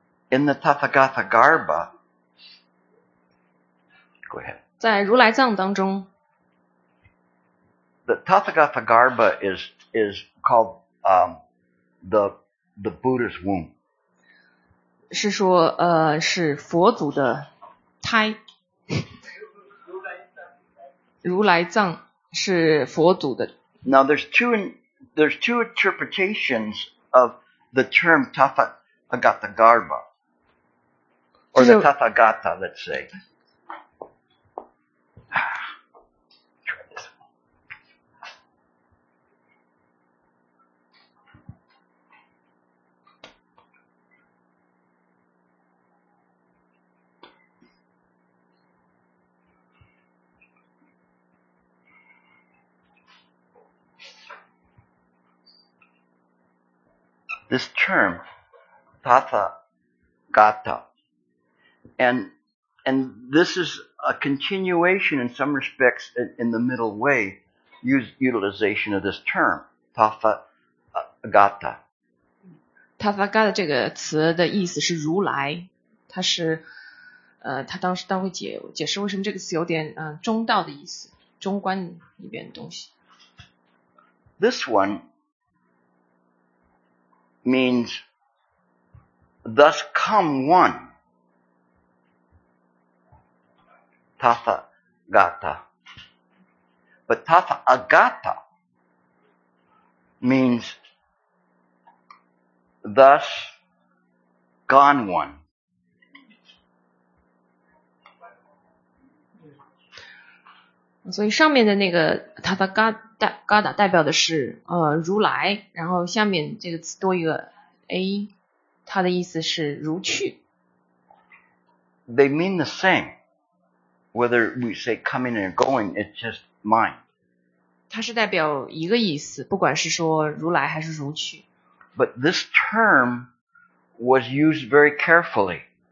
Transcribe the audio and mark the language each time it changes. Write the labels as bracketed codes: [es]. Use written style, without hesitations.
[en] In the Tathagatha Garbha, go ahead. [zh] 在如来藏当中 [en] the Tathagatha Garbha is called the Buddha's womb. [zh] 是说是佛祖的胎如来藏是佛祖的 [en] Now there's two interpretations of the term Tathagatha Garbha or the Tathagatha let's say this term, Tathagata. And this is a continuation in some respects in the middle way, utilization of this term, Tathagata. [zh] Tathagata 这个词的意思是如来，它是他当时当会解释为什么这个词有点中道的意思，中观里边的东西。 [en] This one means thus come one. Tathagata. But Tathagata means thus gone one. [zh] 所以上面的那个 Tathagata 代表的是如来，然后下面这个词多一个 A， 它的意思是如去。 [en] They mean the same. Whether we say coming or going, it's just mind. [zh] 它是代表一个意思，不管是说如来还是如去。 [en] But this term was used very carefully.